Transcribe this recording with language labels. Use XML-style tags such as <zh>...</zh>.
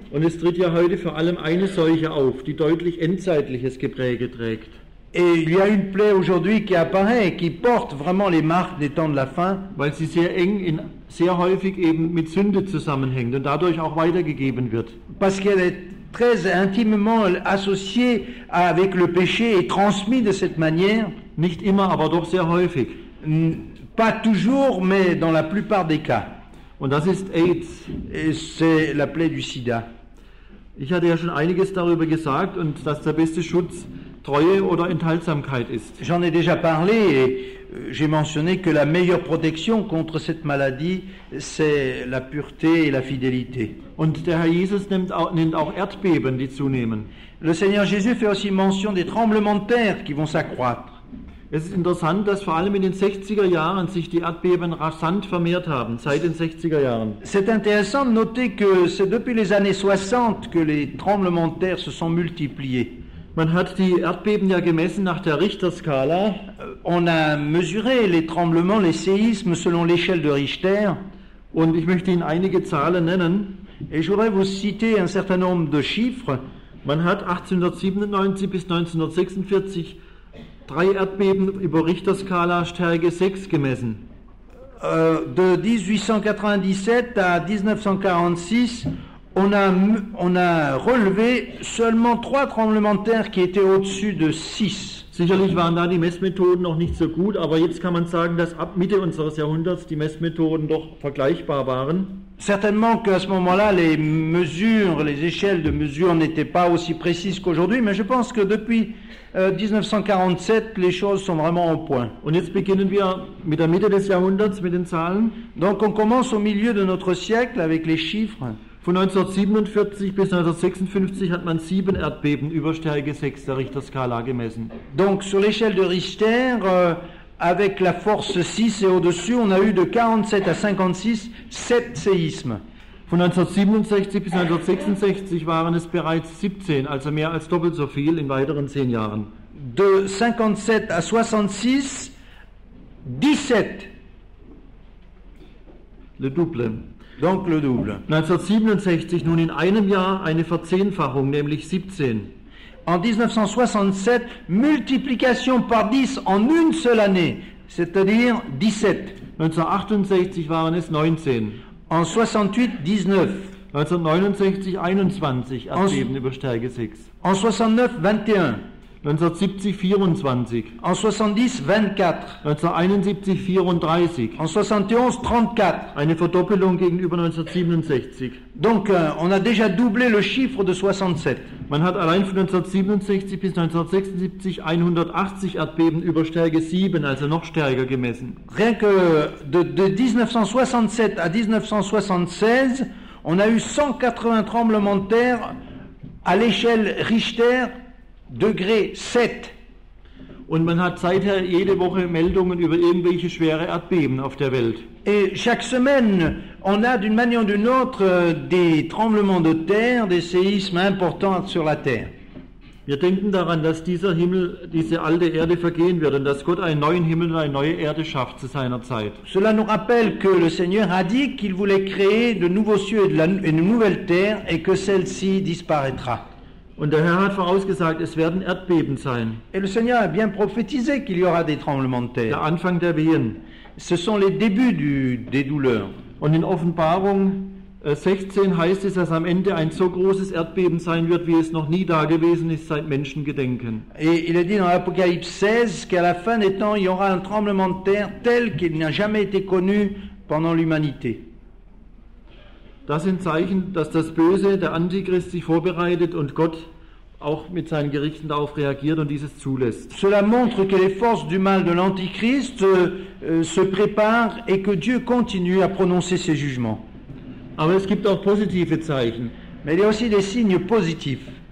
<de>Und es tritt ja heute vor allem eine Seuche auf, die deutlich endzeitliches Gepräge trägt.</de> <fr>Et il y a une plaie aujourd'hui qui apparaît, qui porte vraiment les marques des temps de la fin,</fr> <de>weil sie sehr eng in sehr häufig eben mit Sünde zusammenhängt und dadurch auch weitergegeben wird.</de> <fr>Parce qu'elle est très intimement associée avec le péché et transmise de cette manière.</fr> <de>Nicht immer, aber doch sehr häufig.</de> <fr>Pas toujours, mais dans la plupart des cas.</fr> <de>Und das ist AIDS.</de> <fr>Et c'est la plaie du sida.</fr> <de>Ich hatte ja schon einiges darüber gesagt und dass der beste Schutz Treue oder Enthaltsamkeit ist.</de> <fr>J'en ai déjà parlé et j'ai mentionné que la meilleure protection contre cette maladie, c'est la pureté et la fidélité.</fr> <de>Und der Herr Jesus nennt auch Erdbeben, die zunehmen.</de> <fr>Le Seigneur Jésus fait aussi mention des tremblements de terre qui vont s'accroître.</fr> <de>Es ist interessant, dass vor allem in den 60er Jahren sich die Erdbeben rasant vermehrt haben, seit den 60er Jahren.</de> <fr>C'est intéressant de noter que c'est depuis les années 60 que les tremblements de terre se sont multipliés.</fr> <de>Man hat die Erdbeben ja gemessen nach der Richterskala.</de> <fr>On a mesuré les tremblements, les séismes selon l'échelle de Richter.</fr> <de>Und ich möchte Ihnen einige Zahlen nennen.</de> <fr>Et je voudrais vous citer un certain nombre de chiffres.</fr> <de>Man hat 1897 bis 1946 drei Erdbeben über Richterskala Stärke 6 gemessen.</de> <fr>De 1897 à 1946, on a relevé seulement 3 tremblements de terre qui étaient au-dessus de 6.</fr> <de>Sicherlich waren da die Messmethoden noch nicht so gut, aber jetzt kann man sagen, dass ab Mitte unseres Jahrhunderts die Messmethoden doch vergleichbar waren.</de> <fr>Certainement qu'à ce moment-là, les mesures, les échelles de mesure n'étaient pas aussi précises qu'aujourd'hui, mais je pense que depuis 1947, les choses sont vraiment au point.</fr> <de>Und jetzt beginnen wir mit der Mitte des Jahrhunderts, mit den Zahlen.</de> <fr>Donc on commence au milieu de notre siècle avec les chiffres.</fr> <de>Von 1947 bis 1956 hat man 7 Erdbeben über Stärke 6 der Richterskala gemessen.</de> <fr>Donc sur l'échelle de Richter, avec la force 6 et au-dessus, on a eu de 47 à 56, 7 séismes.</fr> <de>Von 1967 bis 1966 waren es bereits 17, also mehr als doppelt so viel in weiteren 10 Jahren.</de> <fr>De 57 à 66, 17. Le double. Donc le double.</fr> <de>1967, nun in einem Jahr eine Verzehnfachung, nämlich 17.</de> <fr>En 1967, multiplication par 10 en une seule année, c'est-à-dire 17.</fr> <de>1968 waren es 19.</de> <fr>En 68, 19.</fr> <de>1969, 21, Erdbeben über Stärke 6.</de> <fr>En 69, 21.</fr> <de>1970, 24.</de> <fr>En 70, 24.</fr> <de>1971, 34.</de> <fr>En 71, 34.</fr> <de>Eine Verdoppelung gegenüber 1967.</de> <fr>Donc, on a déjà doublé le chiffre de 67.</fr> <de>Man hat allein von 1967 bis 1976 180 Erdbeben über Stärke 7, also noch stärker gemessen.</de> <fr>Rien que de 1967 à 1976, on a eu 180 tremblements de terre à l'échelle Richter, degré 7.</fr> <de>Und man hat seither jede Woche Meldungen über irgendwelche schwere Erdbeben auf der Welt.</de> <fr>Et chaque semaine, on a d'une manière ou d'une autre des tremblements de terre, des séismes importants sur la terre.</fr> <de>Wir denken daran, dass dieser Himmel, diese alte Erde vergehen wird und dass Gott einen neuen Himmel und eine neue Erde schafft zu seiner Zeit.</de> <fr>Cela nous rappelle que le Seigneur a dit qu'il voulait créer de nouveaux cieux et une nouvelle terre et que celle-ci disparaîtra.</fr> <de>Und der Herr hat vorausgesagt, es werden Erdbeben sein.</de> <fr>Et le Seigneur a bien prophétisé qu'il y aura des tremblements de terre.</fr> <de>Der Anfang der Wehen.</de> <fr>Ce sont les débuts des douleurs.</fr> <de>Und in Offenbarung 16 heißt es, dass am Ende ein so großes Erdbeben sein wird, wie es noch nie da gewesen ist seit Menschengedenken.</de> <fr>Et il est dit dans l'Apocalypse 16 qu'à la fin des temps, il y aura un tremblement de terre tel qu'il n'a jamais été connu pendant l'humanité.</fr> <de>Das sind Zeichen, dass das Böse, der Antichrist, sich vorbereitet und Gott auch mit seinen Gerichten darauf reagiert und dieses zulässt.</de> <fr>Cela montre que les forces du mal de l'Antichrist se préparent et que Dieu continue à prononcer ses jugements.</fr> <de>Aber es gibt auch positive Zeichen.</de> <fr>Mais il y a aussi des signes positifs.</fr>